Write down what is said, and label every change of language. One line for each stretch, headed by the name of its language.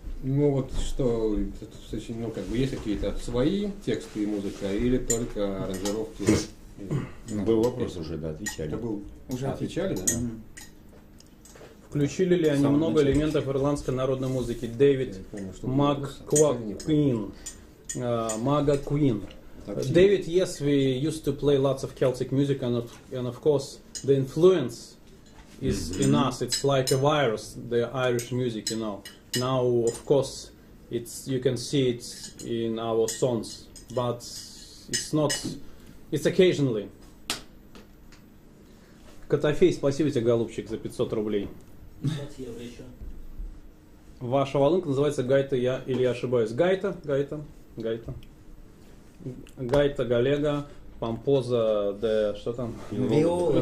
Russian: Ну вот что, ну как бы есть какие-то свои тексты и музыка, или только аранжировки? Был вопрос уже, да, отвечали. Уже отвечали, да? Включили ли они много элементов ирландской народной музыки? Дэвид Маг-Куин. Маг-Куин.
English: Дэвид, yes, we used to play lots of Celtic music, and of course the influence is in us. It's like a virus, the Irish music, you know. Now, of course, it's you can see it in our songs, but it's not, it's occasionally.
Russian: Котофей, спасибо тебе, голубчик, за 500 рублей. 5 евро еще. Ваша валунка называется Гайта, я или я ошибаюсь? Гайта, Гайта, Гайта. Гайта, Галега, Помпоза, де, что там? Виола.